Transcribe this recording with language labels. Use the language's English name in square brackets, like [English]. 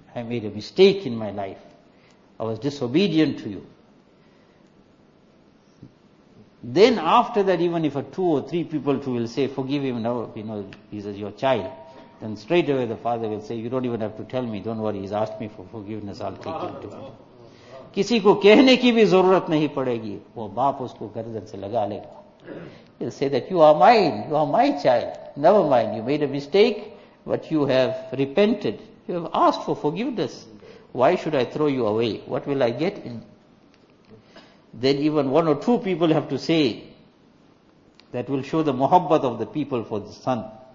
[English] I made a mistake in my life. I was disobedient to you. Then after that, even if a two or three people who will say, forgive him, now you know he's your child, then straight away the father will say, you don't even have to tell me, don't worry, he's asked me for forgiveness, I'll take him to him. [Hindi] किसी को कहने की भी जरूरत नहीं पड़ेगी, वो बाप उसको गर्दन से लगा लेगा. [English] He'll say that you are my child, never mind, you made a mistake, but you have repented, you have asked for forgiveness, why should I throw you away, what will I get in? Then even one or two people have to say, that will show the muhabbat of the people for the son.